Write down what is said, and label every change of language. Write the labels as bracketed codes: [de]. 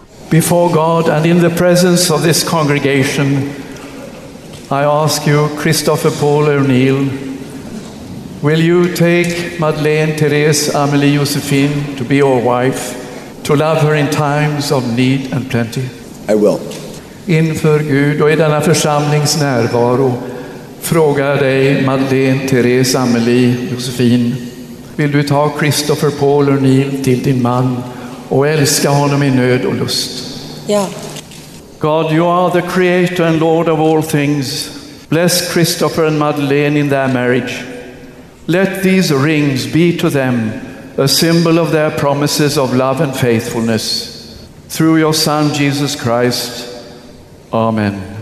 [en] Before God and in the presence of this congregation, I ask you, Christopher Paul O'Neill, will you take Madeleine Therese Amelie Josephine to be your wife, to love her in times of need and plenty? I will. [sv] Inför Gud och i denna församlings närvaro frågar dig Madeleine Therese Amelie Josephine, vill du ta Christopher Paul O'Neill till din man och älska honom i nöd och lust? [en] Yeah. God, you are the creator and Lord of all things. Bless Christopher and Madeleine in their marriage. Let these rings be to them a symbol of their promises of love and faithfulness. Through your Son, Jesus Christ. Amen.